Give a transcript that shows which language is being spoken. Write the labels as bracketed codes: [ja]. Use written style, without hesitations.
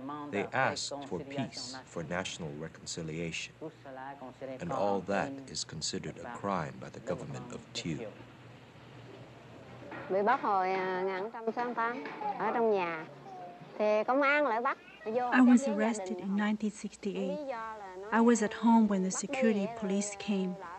[en] They asked for peace, for national reconciliation. And all that is considered a crime by the government of Thieu. [vi] Bị bắt hồi 1968 ở trong nhà thì công an lại bắt. [en] I was arrested in 1968. I was at home when the security police came.